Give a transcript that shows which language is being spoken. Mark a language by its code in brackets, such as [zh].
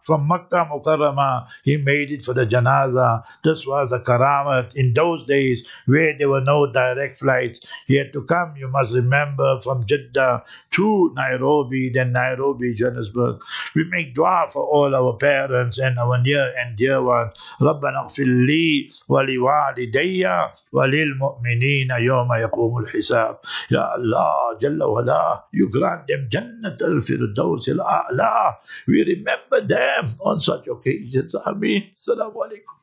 [en] From Makkah Mukarramah, he made it for the janazah. This was a karamat. In those days where there were no direct flights, he had to come, you must remember, from Jeddah to Nairobi, then Nairobi, Johannesburg. We make dua for all our parents and our near and dear ones. [ar] ربنا اغفر لي ولوالدي وللمؤمنين يوم يقوم الحساب. يا الله جل وعلا, [en] you grant them [ar] جنة الفردوس الأعلى. [en] We remember them on such occasions. Ameen. Assalamu alaikum.